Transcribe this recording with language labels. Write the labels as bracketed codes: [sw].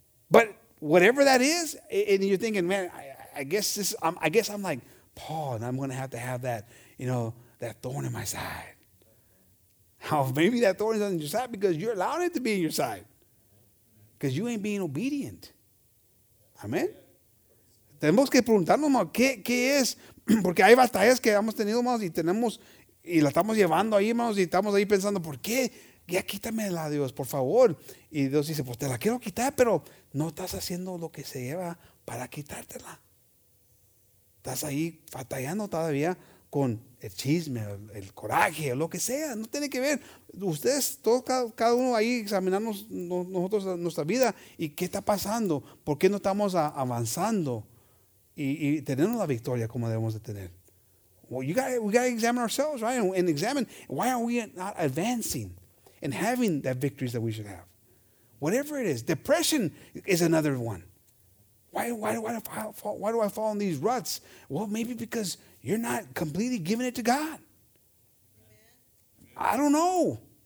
[en] But whatever that is, and you're thinking, man, I guess I'm like Paul, and I'm going to have that, you know, that thorn in my side. How maybe that thorn is on your side because you're allowing it to be in your side, because you ain't being obedient. [es] Amen. Tenemos que preguntarnos, hermano, ¿qué es? Porque hay batallas que hemos tenido, hermanos, y tenemos y la estamos llevando ahí, hermanos, y estamos ahí pensando, ¿por qué? Ya quítamela, Dios, por favor. Y Dios dice, pues te la quiero quitar, pero no estás haciendo lo que se lleva para quitártela. Estás ahí batallando todavía con el chisme, el coraje, lo que sea, no tiene que ver. Ustedes, todos, cada uno ahí examinamos nosotros nuestra vida y qué está pasando, por qué no estamos avanzando y teniendo la victoria como debemos de tener. [en] Well, we gotta examine ourselves, right? And examine why are we not advancing and having the victories that we should have. Whatever it is, depression is another one. Why do I fall in these ruts? Well, maybe because you're not completely giving it to God. I don't know.